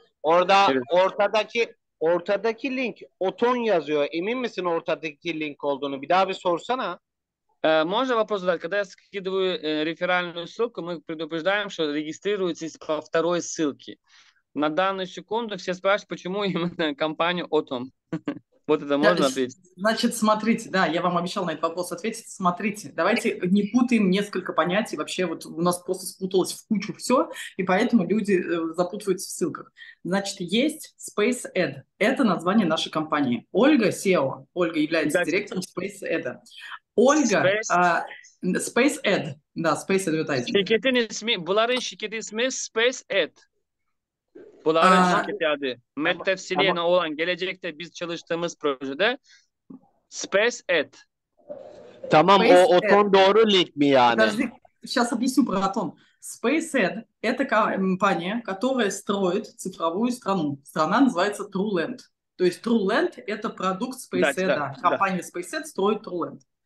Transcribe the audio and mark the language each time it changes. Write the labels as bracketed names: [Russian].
[Turkish] Orada evet. ortadaki link Oton yazıyor. Emin misin ortadaki link olduğunu? Bir daha bir sorsana. [Russian] Можно вопрос задать, когда я скидываю реферальную ссылку, мы предупреждаем, что регистрируйтесь по второй ссылке. На данную секунду все спрашивают, почему именно компания Oton. Вот это можно ответить. Значит, смотрите, да, я вам обещал на этот вопрос ответить. Смотрите, давайте не путаем несколько понятий. Вообще вот у нас просто спуталось в кучу все, и поэтому люди запутываются в ссылках. Значит, есть SpaceAd. Это название нашей компании. Ольга CEO. Ольга является директором SpaceAd. Ольга... SpaceAd. Да, SpaceAd. [Turkish] Şirketin ismi, bunların şirketin ismi SpaceAd. Bunların şirketi adı. Metaverse'e olan gelecekte biz çalıştığımız projede SpaceAd. Tamam Space o Oton doğru link mi yani? [Russian] Сейчас объясню про Oton. SpaceAd – это компания, которая строит цифровую страну. Страна называется TrueLand. То есть TrueLand – это продукт SpaceAd. Компания SpaceAd строит TrueLand.